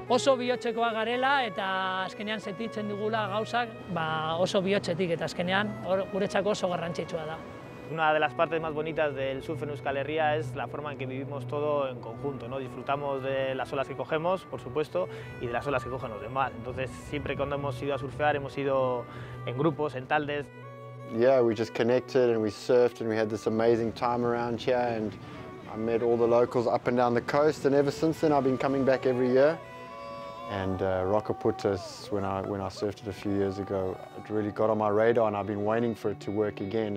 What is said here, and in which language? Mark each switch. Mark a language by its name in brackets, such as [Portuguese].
[Basque] Oso bihotzekoa garela eta azkenean sentitzen dugula gauzak, ba oso bihotzetik eta azkenean guretzako oso garrantzitsua da. [Spanish] Una de las partes más bonitas del surf en Euskal Herria es la forma en que vivimos todo en conjunto, ¿no? Disfrutamos de las olas que cogemos, por supuesto, y de las olas que cogen los demás. Entonces, siempre cuando hemos ido a surfear hemos ido en grupos, en taldes. [English] Yeah, we just connected and we surfed and we had this amazing time around here and I met all the locals up and down the coast, and ever since then I've been coming back every year. And Rakaputas, when I surfed it a few years ago, it really got on my radar, and I've been waiting for it to work again.